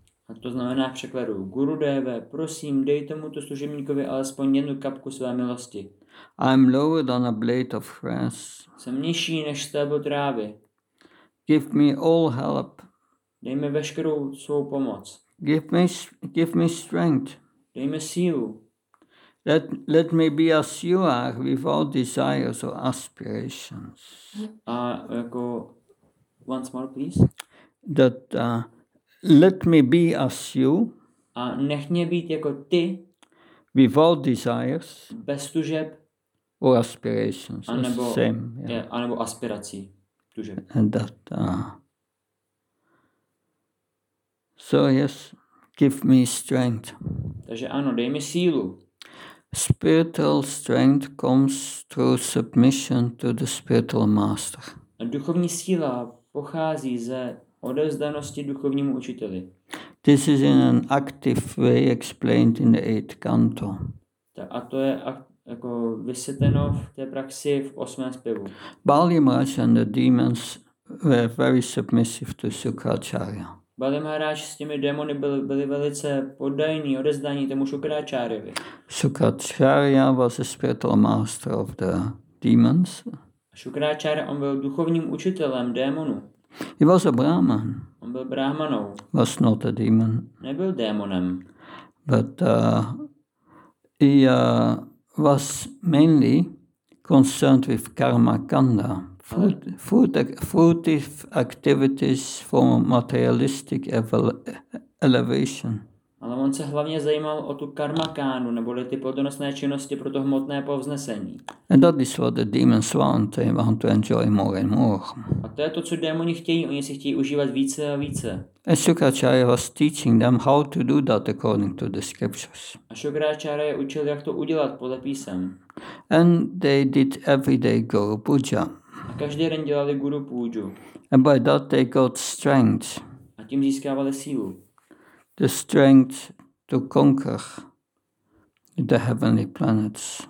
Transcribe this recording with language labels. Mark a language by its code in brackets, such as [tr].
[cs] A to znamená v překladu, Gurudev, prosím, dej tomuto služebníkovi alespoň jednu kapku své milosti. [en] I'm lower than a blade of grass. [cs] Jsem nižší než stébl trávy. [en] Give me all help. [cs] Dej mi veškerou svou pomoc. [en] Give me strength. [cs] Dej mi sílu. [en] Let me be as you are, without desires or aspirations. [cs] A jako [en] once more, please. Let me be as you. [cs] A nech mě být jako ty. [en] Without desires. [cs] Bez tužeb. [en] Or aspirations. [cs] A nebo, [en] the same. Yeah. [cs] A nebo aspirací tužeb. [en] And so yes, give me strength. [cs] Takže ano, dej mi sílu. [en] Spiritual strength comes through submission to the spiritual master. [cs] A duchovní síla pochází ze odevzdanosti duchovnímu učiteli. [en] This is in an active way explained in the 8th canto. [cs] A to je jako vysvětleno v té praxi v 8. zpěvu. [en] Bali Maharaj and the demons were very submissive to Shukracharya. [cs] Bali Maharaj s těmi démony byli velice poddajní, odevzdaní tomu Shukracharyovi. [en] Shukracharya was the spiritual master of the demons. [cs] Shukracharya, on byl duchovním učitelem démonů. [en] He was a Brahman. [cs] On byl Brahmanou. [en] Was not a demon. [cs] Nebyl démonem. [en] But he was mainly concerned with karma kanda. Fruitive activities for materialistic elevation. [cs] Ale on se hlavně zajímal o tu karmakánu, neboli ty plodonosné činnosti pro to hmotné povznesení. [en] And that is what the demons want. They want to enjoy more and more. [cs] A to je to, co démoni chtějí. Oni si chtějí užívat více a více. [en] And Shukracharya was teaching them how to do that according to the scriptures. [cs] A Shukracharya je učil, jak to udělat podle písem. [en] And they did everyday Guru Puja. [cs] A každý den dělali Guru Puju. [en] And by that they got strength. [cs] A tím získávali sílu. [en] The strength to conquer the heavenly planets.